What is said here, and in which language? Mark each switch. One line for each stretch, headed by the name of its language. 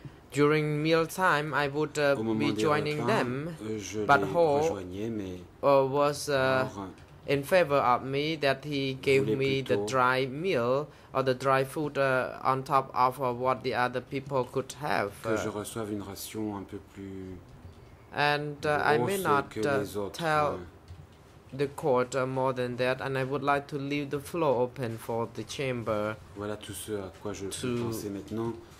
English: During meal time, I would be joining them, but Ho was in favor of me that he gave me the dry meal or the dry food on top of what the other people could have.
French: Que je reçoive une ration un peu plus
English: and I may not tell the court more than that, and I would like to leave the floor open for the chamber
French: voilà tout ce à quoi je to pensais maintenant.